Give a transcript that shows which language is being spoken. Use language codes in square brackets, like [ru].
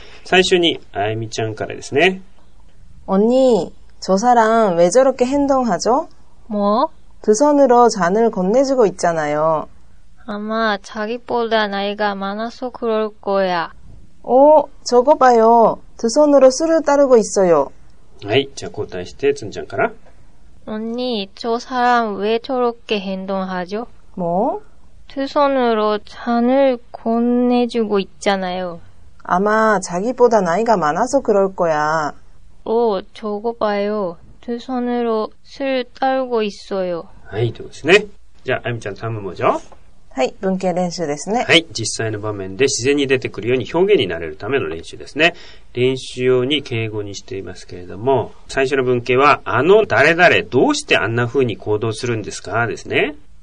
[ja] 最初にあゆみちゃんからですね。 [ko] お兄、저사람왜저렇게행동하죠? 뭐? 두손으로잔을건네주고있잖아요. 아마자기보다나이가많아서그럴거야. 오,저거봐요. 두손으로술을따르고있어요. [ja] はい,자,交代して준짱から. [ko] 언니,저사람왜저렇게행동하죠? 뭐? 두손으로잔을건네주고있잖아요. 아마자기보다나이가많아서그럴거야. 오,저거봐요. 두손으로술따르고있어요. [ja] はい、どうですね。じゃあ、あゆみちゃん、頼むもじゃ。はい、文型練習ですね。はい、実際の場面で自然に出てくるように表現になれるための練習ですね。練習用に敬語にしていますけれども、最初の文型は、あの誰々、どうしてあんな風に行動するんですかですね。